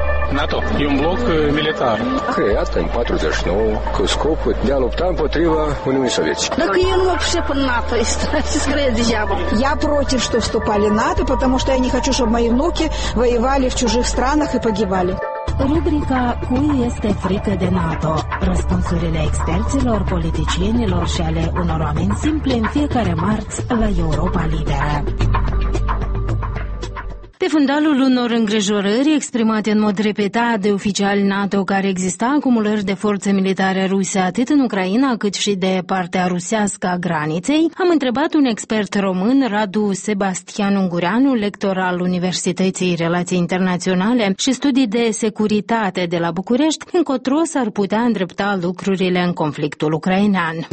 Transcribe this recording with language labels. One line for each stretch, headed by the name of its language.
Romanian: NATO e un bloc militar creat în 49 cu scopul de a lupta împotriva Uniunii Sovietice. Dacă eu nu mă pricep în NATO, este scrie degeaba.
Russian: Я против, что вступали НАТО, потому что я не хочу, чтобы мои внуки воевали в чужих странах и погибали.
Romanian: Rubrica Cui este frică de NATO? Răspunsurile experților, politicienilor și ale unor oameni simple în fiecare marți la Europa Liberă. Pe fundalul unor îngrijorări exprimate în mod repetat de oficiali NATO care exista acumulări de forțe militare ruse atât în Ucraina cât și de partea rusească a graniței, am întrebat un expert român, Radu Sebastian Ungureanu, lector al Universității Relații Internaționale și Studii de Securitate de la București, încotro s-ar putea îndrepta lucrurile în conflictul ucrainean.